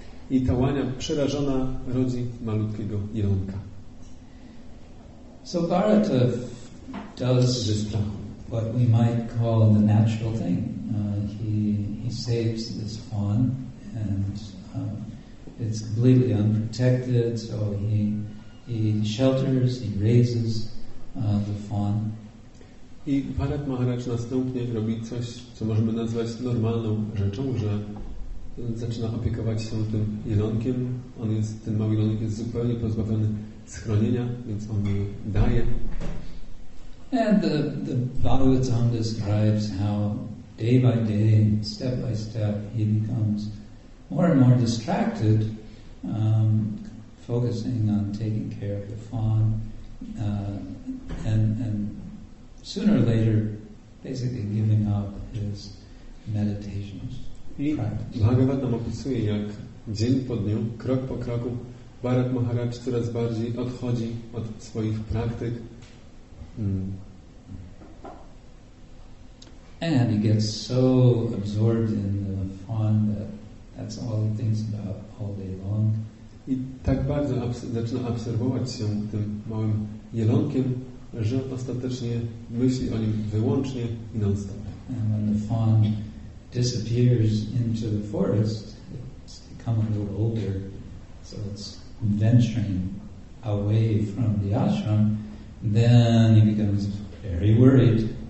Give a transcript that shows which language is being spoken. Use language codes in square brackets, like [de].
[pl] I ta łania przerażona rodzi malutkiego jelonka. [en] So Bharata does what we might call the natural thing. He saves this fawn, and it's completely unprotected, so he shelters, he raises the fawn. [pl] I Bharat Maharaj następnie robi coś, co możemy nazwać normalną rzeczą, że zaczyna opiekować się tym jelonkiem. On jest, ten mały jelonek jest zupełnie pozbawiony schronienia, więc on je daje. [en] And the Bhagavatam describes how day by day, step by step, he becomes more and more distracted, focusing on taking care of the fawn, and sooner or later, basically giving up his meditations. [pl] Bhagavatam opisuje, jak dzień po dniu, krok po kroku, Bharat Maharaj coraz bardziej odchodzi od swoich praktyk. [en] And he gets so absorbed in the fawn that that's all he thinks about all day long. [pl] I tak bardzo zaczyna obserwować się tym małym jelonkiem, że ostatecznie myśli o nim wyłącznie i non-stop. [en] And when the fawn disappears into the forest, it's become a little older, so it's venturing away from the ashram, then he becomes very worried.